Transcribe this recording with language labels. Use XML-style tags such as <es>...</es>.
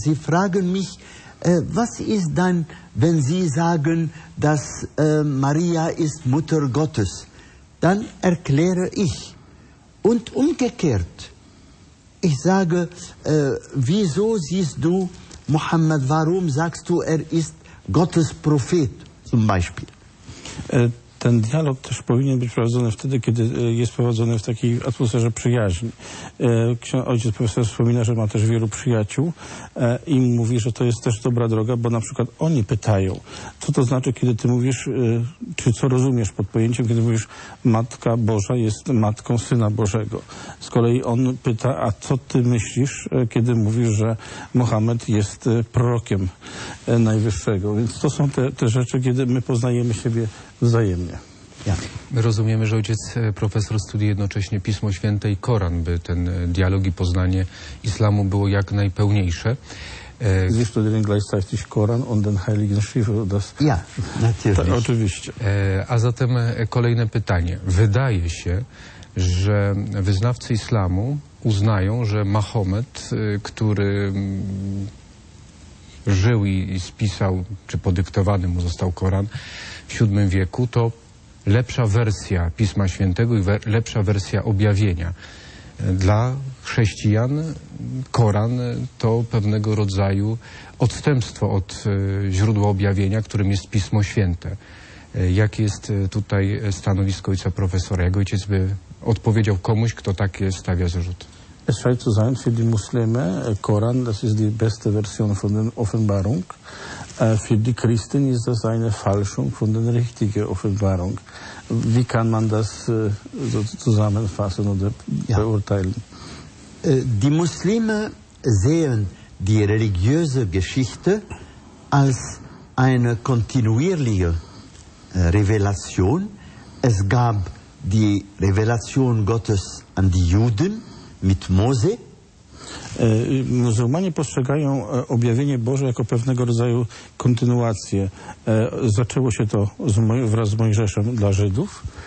<de>Sie fragen mich, was ist dann, wenn Sie sagen, dass Maria ist Mutter Gottes? Dann erkläre ich. Und umgekehrt. Ich sage, wieso siehst du Mohammed, warum sagst du, er ist Gottes Prophet zum Beispiel?</de> <pl>Ten dialog też powinien być prowadzony wtedy, kiedy jest prowadzony w takiej atmosferze przyjaźni. Ojciec profesor wspomina, że ma też wielu przyjaciół i mówi, że to jest też dobra droga, bo na przykład oni pytają, co to znaczy, kiedy ty mówisz, czy co rozumiesz pod pojęciem, kiedy mówisz, Matka Boża jest Matką Syna Bożego. Z kolei on pyta, a co ty myślisz, kiedy mówisz, że Mohamed jest prorokiem Najwyższego. Więc to są te rzeczy, kiedy my poznajemy siebie wzajemnie. My rozumiemy, że ojciec profesor studiuje jednocześnie Pismo Święte i Koran, by ten dialog i poznanie islamu było jak najpełniejsze.</pl> <de>Sie studieren gleichzeitig Koran und den Heiligen Schrift, das... Ja, natürlich.</de> <pl>Oczywiście. A zatem kolejne pytanie. Wydaje się, że wyznawcy islamu uznają, że Mahomet, który żył i spisał, czy podyktowany mu został Koran w VII wieku, to lepsza wersja Pisma Świętego i lepsza wersja objawienia. Dla chrześcijan Koran to pewnego rodzaju odstępstwo od źródła objawienia, którym jest Pismo Święte. Jakie jest tutaj stanowisko ojca profesora? Jak ojciec by odpowiedział komuś, kto takie stawia zarzut?</pl> <de>Es scheint zu sein für die Muslime, Koran, das ist die beste Version von der Offenbarung. Für die Christen ist das eine Falschung von der richtigen Offenbarung. Wie kann man das so zusammenfassen oder beurteilen? Die Muslime sehen die religiöse Geschichte als eine kontinuierliche Revelation. Es gab die Revelation Gottes an die Juden mit Mose.</de> <pl>Muzułmanie postrzegają objawienie Boże jako pewnego rodzaju kontynuację. Zaczęło się to wraz z Mojżeszem dla Żydów.</pl>